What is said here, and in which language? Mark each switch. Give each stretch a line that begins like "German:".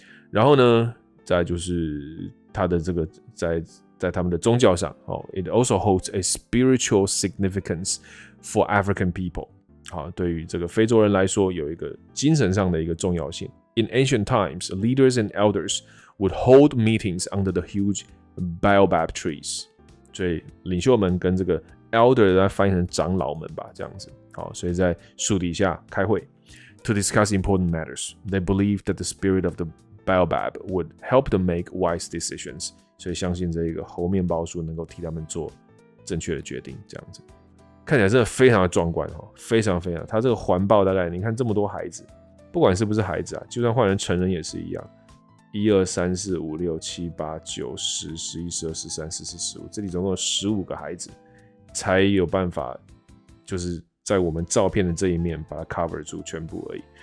Chinese: 然后呢，再就是它的这个在他们的宗教上、哦、，
English: it also holds a spiritual significance。 For African people，
Chinese: 好，对于这个非洲人来说，有一个精神上的一个重要性。
English: In ancient times, leaders and elders would hold meetings under the huge baobab trees。
Chinese: 所以领袖们跟这个 elder 翻译成长老们吧，这样子。好，所以在树底下开会。
English: to discuss important matters. They believed that the spirit of the baobab would help them make wise decisions.
Chinese: 所以相信这个猴面包树能够替他们做正确的决定，这样子看起来真的非常的壮观哦，非常非常。他这个环抱大概你看这么多孩子，不管是不是孩子啊，就算换成成人也是一样，一二三四五六七八九十十一十二十三十四十五，这里总共有十五个孩子才有办法，就是在我们照片的这一面把它 cover 住全部而已。